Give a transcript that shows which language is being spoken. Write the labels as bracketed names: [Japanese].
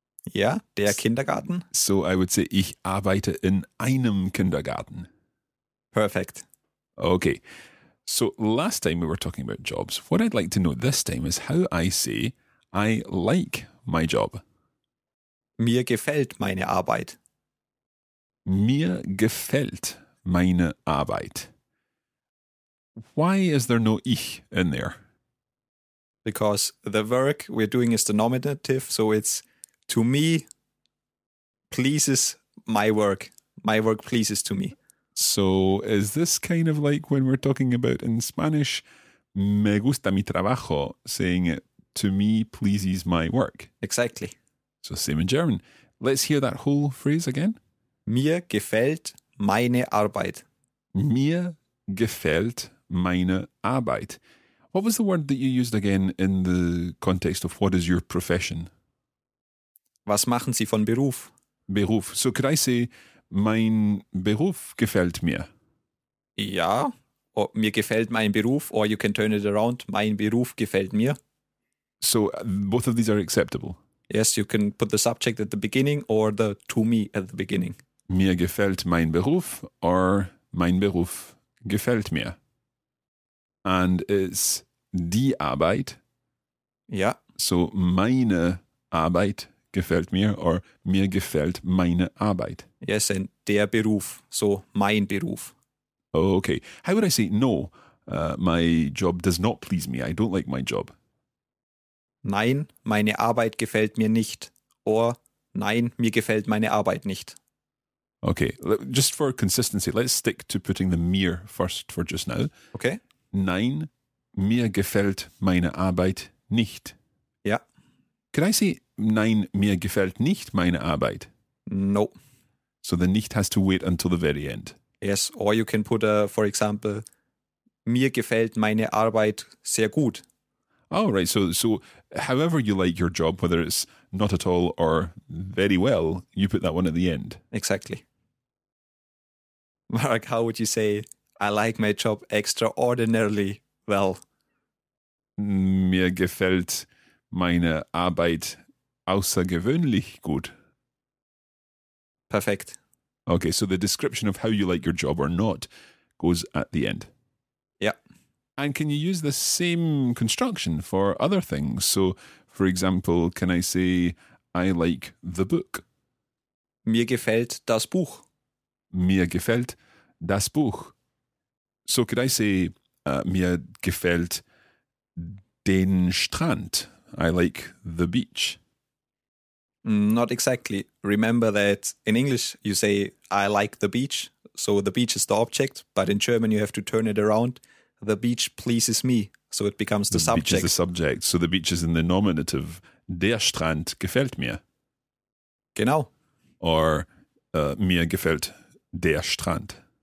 [English] Yeah, [German] der Kindergarten. [English] So I would say, [German] ich arbeite in einem Kindergarten. [English] Perfect. Okay, so last time we were talking about jobs. What I'd like to know this time is how I say I like my job. [German] Mir gefällt meine Arbeit. Mir gefällt meine Arbeit. [English] Why is there no ich in there? Because the verb we're doing is the nominative, so it's to me pleases my work. My work pleases to me. So is this kind of like when we're talking about in Spanish, [Spanish] me gusta mi trabajo, [English] saying it to me pleases my work. Exactly. So same in German. Let's hear that whole phrase again. [German] Mir gefällt meine Arbeit. Mir gefällt meine Arbeit. [English] What was the word that you used again in the context of what is your profession? [German] Was machen Sie von Beruf? Beruf. [English] So could I say, [German] mein Beruf gefällt mir. Ja, oh, mir gefällt mein Beruf, [English] or you can turn it around, [German] mein Beruf gefällt mir. [English] So both of these are acceptable? Yes, you can put the subject at the beginning or the to me at the beginning. [German] Mir gefällt mein Beruf or mein Beruf gefällt mir. [English] And it's [German] die Arbeit. Ja. So meine Arbeit gefällt mir or mir gefällt meine Arbeit. [English] Yes, and [German] der Beruf, so mein Beruf. [English] Okay, how would I say no, my job does not please me, I don't like my job? [German] Nein, meine Arbeit gefällt mir nicht or nein, mir gefällt meine Arbeit nicht. [English] Okay, just for consistency, let's stick to putting the mir first for just now. Okay. [German] Nein, mir gefällt meine Arbeit nicht. Ja. [English] Could I say [German] nein, mir gefällt nicht meine Arbeit? [English] No. So the nicht has to wait until the very end. Yes, or you can put, for example, [German] mir gefällt meine Arbeit sehr gut. [English] Oh, right. So however you like your job, whether it's not at all or very well, you put that one at the end. Exactly. Mark, how would you say, I like my job extraordinarily well? [German] Mir gefällt meine Arbeit außergewöhnlich gut. Perfekt. [English] Okay, so the description of how you like your job or not goes at the end. Yeah. And can you use the same construction for other things? So, for example, can I say, I like the book? [German] Mir gefällt das Buch. Mir gefällt das Buch. [English] So could I say, [German] mir gefällt den Strand. [English] I like the beach. Not exactly. Remember that in English you say, I like the beach. So the beach is the object. But in German you have to turn it around. The beach pleases me. So it becomes the subject. The beach is the subject. So the beach is in the nominative. [German] Der Strand gefällt mir. Genau. Or mir gefällt der Strand.